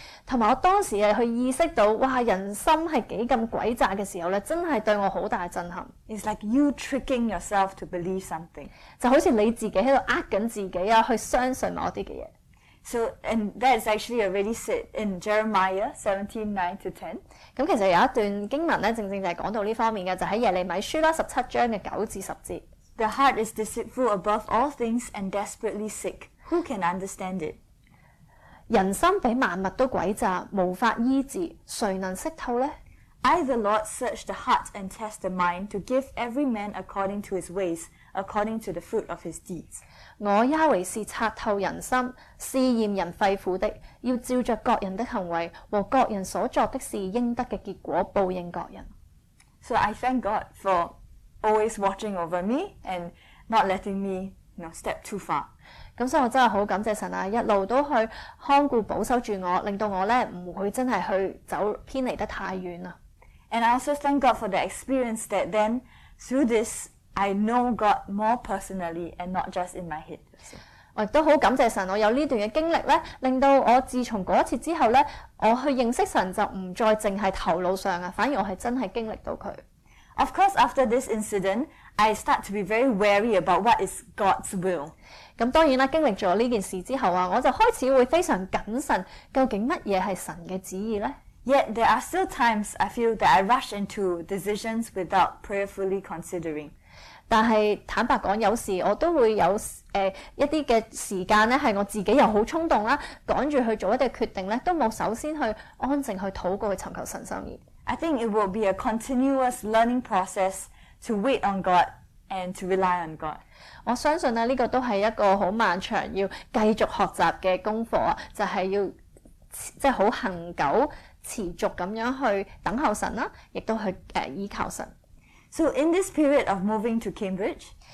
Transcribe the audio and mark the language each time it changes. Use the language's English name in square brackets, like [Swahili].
[Cantonese] 同埋我当时系去意识到，哇，人心系几咁诡诈嘅时候咧，真系对我好大震撼。 [English] It's like you tricking yourself to believe something. [Cantonese] 就好似你自己喺度呃紧自己啊，去相信某啲嘅嘢。 [English] So, and that is actually already said in Jeremiah 17:9-10. [Cantonese] 咁其实有一段经文咧，正正就系讲到呢方面嘅，就喺耶利米书啦，17:9-10. [English] The heart is deceitful above all things and desperately sick. Who can understand it? [Cantonese] 人心比万物都诡诈，无法医治，谁能识透呢？ [English] I, the Lord, search the heart and test the mind to give every man according to his ways, according to the fruit of his deeds. [Cantonese] 我亚维是察透人心，试验人肺腑的，要照着各人的行为和各人所作的事应得的结果报应各人。 [English] So I thank God for always watching over me and not letting me, you know, step too far. [Cantonese] 咁所以我真系好感谢神啊，一路都去看顾保守住我，令到我咧唔会真系去走偏离得太远啊。 [English] And I also thank God for the experience that then through this. I know God more personally and not just in my head. [Cantonese] 我亦都好感謝神，我有呢段嘅經歷咧，令到我自從嗰次之後咧，我去認識神就唔再淨係頭腦上啊，反而我係真係經歷到佢。 [English] Of course, after this incident, I start to be very wary about what is God's will. [Cantonese] 咁當然啦，經歷咗呢件事之後啊，我就開始會非常謹慎，究竟乜嘢係神嘅旨意咧？ [English] Yet there are still times I feel that I rush into decisions without prayerfully considering. [Cantonese] 但是坦白讲，有时我都会有一啲嘅时间咧，系我自己又好冲动啦，赶住去做一啲决定咧，都冇首先去安静去祷告去寻求神心意。 [English] I think it will be a continuous learning process to wait on God and to rely on God。 [Cantonese] 我相信咧，呢个都系一个好漫长要继续学习嘅功课啊，就系要即系好恒久持续咁样去等候神啦，亦都去依靠神。 [English] So in this period of moving to Cambridge,